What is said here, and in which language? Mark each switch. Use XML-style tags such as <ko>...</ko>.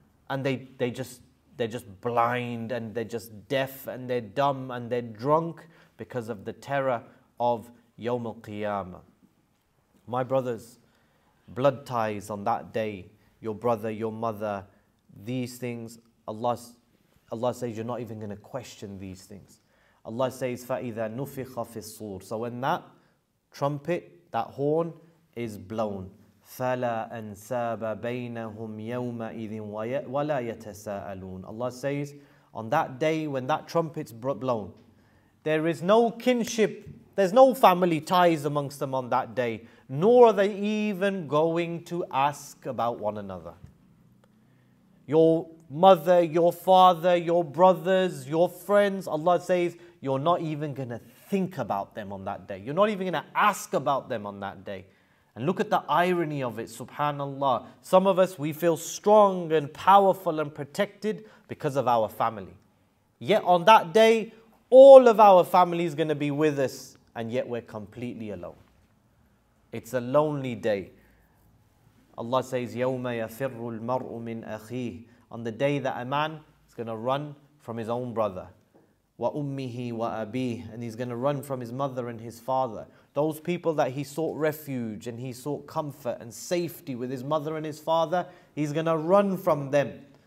<en>And they're just blind and they're just deaf and they're dumb and they're drunk because of the terror of Yawm al-Qiyamah. My brothers, blood ties on that day, your brother, your mother, these things, Allah says you're not even going to question these things. Allah says,</en> <ar>فَإِذَا نُفِخَ فِي الصُّورِ.</ar> <en>So when that trumpet, that horn is blown,</en> <ar>فَلَا أَنْسَابَ بَيْنَهُمْ يَوْمَئِذٍ وَلَا يَتَسَاءَلُونَ.</ar> <en>Allah says, on that day when that trumpet's blown, there is no kinship, there's no family ties amongst them on that day, nor are they even going to ask about one another. Your mother, your father, your brothers, your friends, Allah says, you're not even going to think about them on that day. You're not even going to ask about them on that day. And look at the irony of it, subhanAllah. Some of us, we feel strong and powerful and protected because of our family. Yet on that day, all of our family is going to be with us, and yet we're completely alone. It's a lonely day. Allah says,</en> <ar>يَوْمَ يَفِرُّ الْمَرْءُ مِنْ أَخِيهِ.</ar> <en>On the day that a man is going to run from his own brother.</en> <ar>وَأُمِّهِ وَأَبِيهِ.</ar> <en>And he's going to run from his mother and his father. Those people that he sought refuge and he sought comfort and safety with his mother and his father, he's going to run from them.</en>